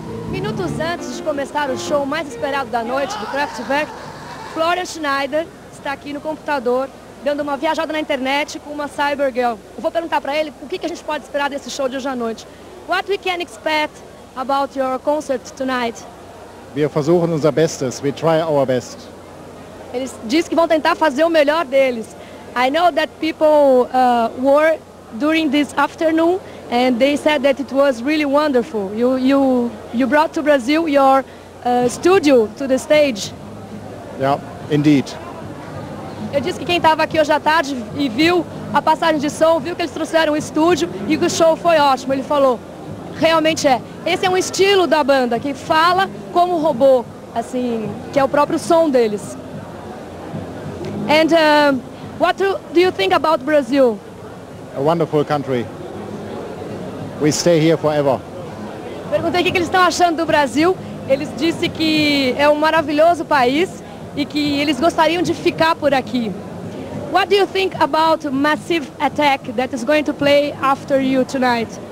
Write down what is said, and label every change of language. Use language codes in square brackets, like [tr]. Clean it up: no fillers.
[pt] minutos antes de começar o show mais esperado da noite, do Kraftwerk, Florian Schneider está aqui no computador, dando uma viajada na internet com uma cyber girl. Eu vou perguntar para ele o que a gente pode esperar desse show de hoje à noite. [en] What we can expect about your concert tonight? [de] Wir versuchen unser Bestes. [en] We try our best. [pt] Eles dizem que vão tentar fazer o melhor deles. [en] I know that people were during this afternoon and they said that it was really wonderful. You brought to Brazil your studio to the stage. Yeah, indeed. [pt] Eu disse que quem estava aqui hoje à tarde e viu a passagem de som, viu que eles trouxeram o estúdio e que o show foi ótimo. Ele falou, realmente é. Esse é um estilo da banda, que fala como robô, assim, que é o próprio som deles. [en] And what do you think about Brazil? A wonderful country. We stay here forever. [pt] Perguntei o que eles estão achando do Brasil. Eles disseram que é um maravilhoso país e que eles gostariam de ficar por aqui. [en] What do you think about Massive Attack that is going to play after you tonight?